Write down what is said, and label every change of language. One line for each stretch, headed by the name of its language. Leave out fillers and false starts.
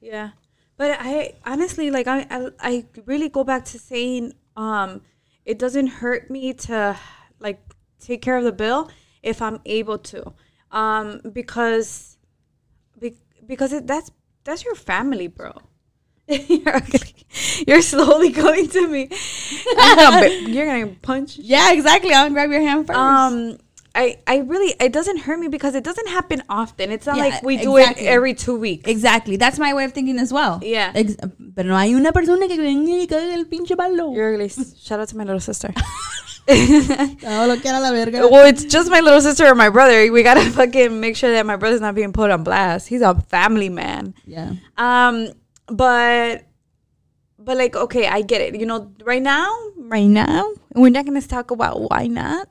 English: Yeah, but I honestly, like, I really go back to saying it doesn't hurt me to like take care of the bill if I'm able to, because that's your family, bro. You're ugly. You're slowly coming to me. You're gonna punch. Yeah, exactly. I'm gonna grab your hand first. I really, it doesn't hurt me because it doesn't happen often. It's not like we do it every 2 weeks. Exactly. That's my way of thinking as well. Yeah.
Spanish: Pero no hay una persona que venga y caiga el pinche palo.
English: You're really, shout out to my little sister. Well, it's just my little sister or my brother. We gotta fucking make sure that my brother's not being put on blast. He's a family man. Yeah. But like, okay, I get it. You know, right now, we're not gonna talk about why not.